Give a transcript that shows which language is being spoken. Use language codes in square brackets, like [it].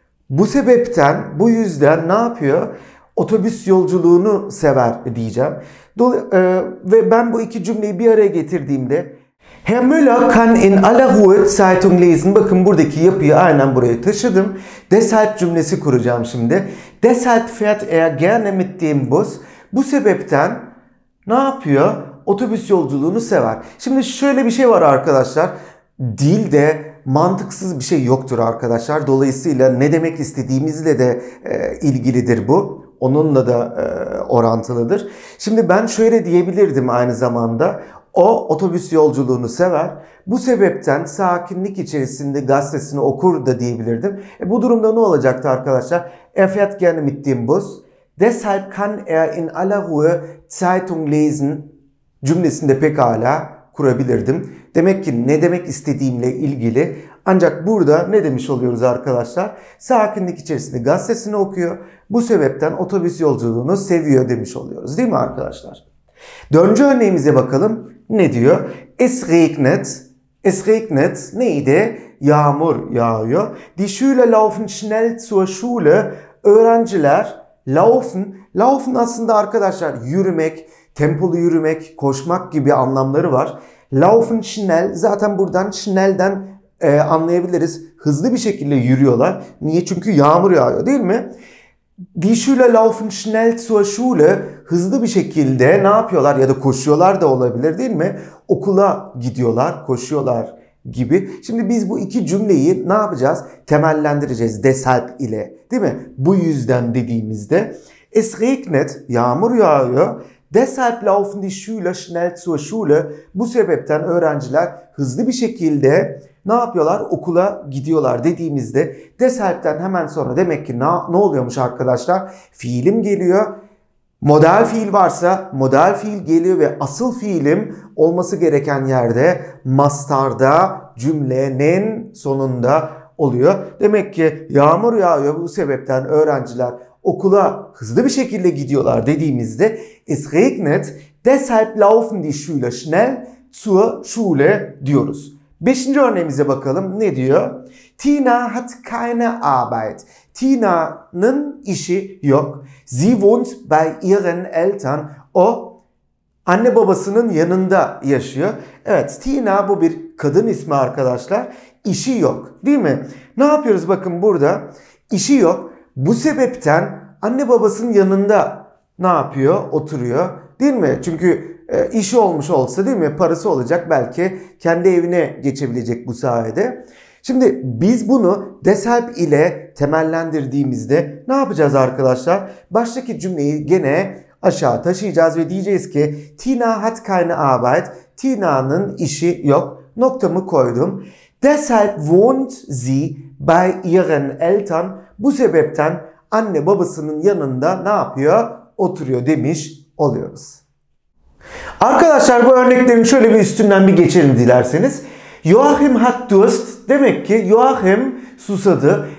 [tr] Bu sebepten, bu yüzden ne yapıyor? Otobüs yolculuğunu sever diyeceğim. Ve ben bu iki cümleyi bir araya getirdiğimde [de] Herr Müller kann in aller Ruhe Zeitung lesen. [tr] Bakın buradaki yapıyı aynen buraya taşıdım. Deshalb cümlesi kuracağım şimdi. [de] Deshalb fährt gerne mit dem Bus. [tr] Bu sebepten ne yapıyor? Otobüs yolculuğunu sever. Şimdi şöyle bir şey var arkadaşlar. Dilde mantıksız bir şey yoktur arkadaşlar. Dolayısıyla ne demek istediğimizle de ilgilidir bu. Onunla da orantılıdır. Şimdi ben şöyle diyebilirdim aynı zamanda. O otobüs yolculuğunu sever. Bu sebepten sakinlik içerisinde gazetesini okur da diyebilirdim. Bu durumda ne olacaktı arkadaşlar? [de] Er fährt gerne mit dem Bus. Deshalb kann in aller Ruhe Zeitung lesen. [tr] Cümlesinde pekala kurabilirdim. Demek ki ne demek istediğimle ilgili. Ancak burada ne demiş oluyoruz arkadaşlar? Sakinlik içerisinde gazetesini okuyor. Bu sebepten otobüs yolculuğunu seviyor demiş oluyoruz. Değil mi arkadaşlar? Dördüncü örneğimize bakalım. Ne diyor? [de] Es regnet. Es regnet [tr] neydi? Yağmur yağıyor. [de] Die Schüler laufen schnell zur Schule. [tr] Öğrenciler laufen. Laufen aslında arkadaşlar yürümek, tempolu yürümek, koşmak gibi anlamları var. [de] Laufen schnell. [tr] Zaten buradan schnell'den anlayabiliriz. Hızlı bir şekilde yürüyorlar. Niye? Çünkü yağmur yağıyor değil mi? [de] Die Schüler laufen schnell zur Schule. [tr] Hızlı bir şekilde ne yapıyorlar ya da koşuyorlar da olabilir değil mi? Okula gidiyorlar, koşuyorlar gibi. Şimdi biz bu iki cümleyi ne yapacağız? Temellendireceğiz deshalb ile. Değil mi? Bu yüzden dediğimizde. [de] Es regnet, [tr] yağmur yağıyor. [de] Deshalb laufen die Schüler schnell zur Schule. [tr] Bu sebepten öğrenciler hızlı bir şekilde ne yapıyorlar? Okula gidiyorlar dediğimizde deshalb'den hemen sonra demek ki ne oluyormuş arkadaşlar? Fiilim geliyor. Modal fiil varsa modal fiil geliyor ve asıl fiilim olması gereken yerde mastarda cümlenin sonunda oluyor. Demek ki yağmur yağıyor bu sebepten öğrenciler okula hızlı bir şekilde gidiyorlar dediğimizde [de] es regnet deshalb laufen die Schüler schnell zur Schule [tr] diyoruz. Beşinci örneğimize bakalım. Ne diyor? [de] Tina hat keine Arbeit. [tr] Tina'nın işi yok. [de] Sie wohnt bei ihren Eltern. [tr] O anne babasının yanında yaşıyor. Evet, Tina bu bir kadın ismi arkadaşlar. İşi yok, değil mi? Ne yapıyoruz bakın burada? İşi yok. Bu sebepten anne babasının yanında ne yapıyor? Oturuyor, değil mi? Çünkü İşi olmuş olsa değil mi? Parası olacak belki kendi evine geçebilecek bu sayede. Şimdi biz bunu deshalb ile temellendirdiğimizde ne yapacağız arkadaşlar? Baştaki cümleyi gene aşağı taşıyacağız ve diyeceğiz ki [de] Tina hat keine Arbeit. [tr] Tina'nın işi yok. Noktamı koydum. [de] Deshalb wohnt sie bei ihren Eltern. [tr] Bu sebepten anne babasının yanında ne yapıyor? Oturuyor demiş oluyoruz. Arkadaşlar bu örneklerin şöyle bir üstünden bir geçelim dilerseniz. [de] Joachim hat Durst. [tr] Demek ki Joachim susadı.